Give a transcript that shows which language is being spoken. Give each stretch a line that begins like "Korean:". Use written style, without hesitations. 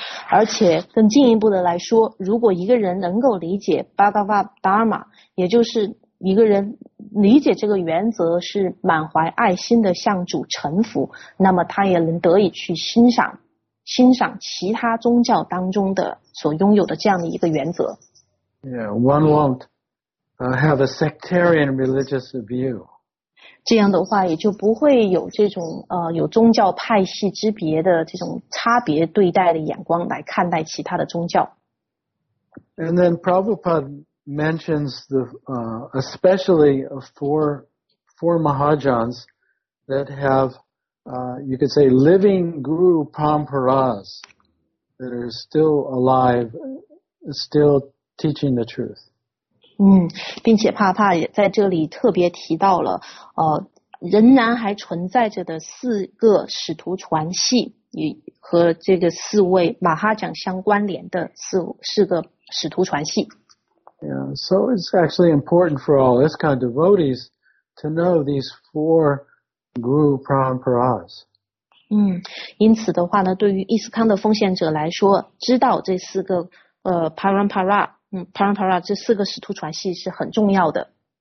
Chinese: 而且更进一步的来说，如果一个人能够理解 Bhagavad Dharma, 也就是一个人理解这个原则是满怀爱心的向主臣服，那么他也能得以去欣赏其他宗教当中的所拥有的这样的一个原则。
English: Yeah, one won't have a sectarian religious view.
Chinese: 这样的话也就不会有这种有宗教派系之别的这种差别对待的眼光来看待其他的宗教。
English: And then Prabhupada mentions the especially four Mahajans that have. You could say living Guru Paramparas that are still alive, still teaching the truth.
Chinese: 并且帕帕也在这里特别提到了，仍然还存在着的四个使徒传系，和这个四位马哈讲相关联的四个使徒传系。
English: Yeah, so it's actually important for all ISKCON devotees to know these four. Guru Paramparas.
Chinese: 因此的话呢，对于伊斯康的奉献者来说，知道这四个Parampara, Parampara 这四个使徒传系是很重要的。